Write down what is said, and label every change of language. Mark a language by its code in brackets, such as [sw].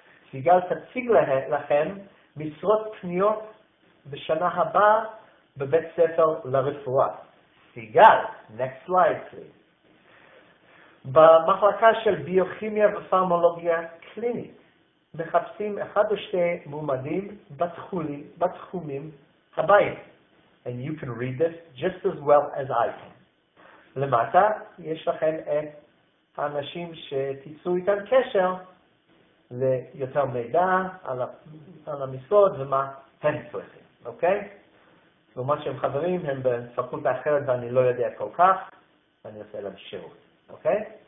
[he] סיגל תציג לכם משרות פניות בשנה הבאה בבית ספר לרפואה. סיגל, [en] next slide please. [he] במחלקה של ביוכימיה ופרמולוגיה קלינית מחפשים אחד או שתי מועמדים בתחומים הבאים. [en] And you can read this just as well as I can. [he] למטה יש לכם את האנשים שתיצרו איתם קשר ליותר מידע על המשרות ומה הם צריכים, אוקיי? לעומת שהם חברים, הם בפקולטה אחרת ואני לא יודע כל כך, ואני עושה להם שירות, אוקיי?